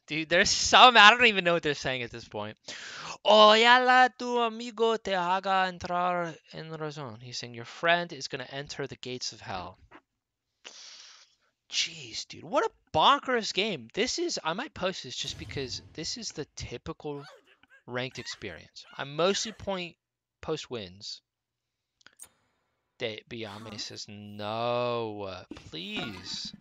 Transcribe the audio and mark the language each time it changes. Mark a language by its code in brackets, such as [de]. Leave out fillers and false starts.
[en] Dude, there's some, I don't even know what they're saying at this point. [es] Oyala tu amigo te haga entrar en razón. [en] He's saying your friend is gonna enter the gates of hell. Jeez, dude, what a bonkers game. This is, I might post this just because this is the typical ranked experience. I mostly point post wins. Biami says, no, please.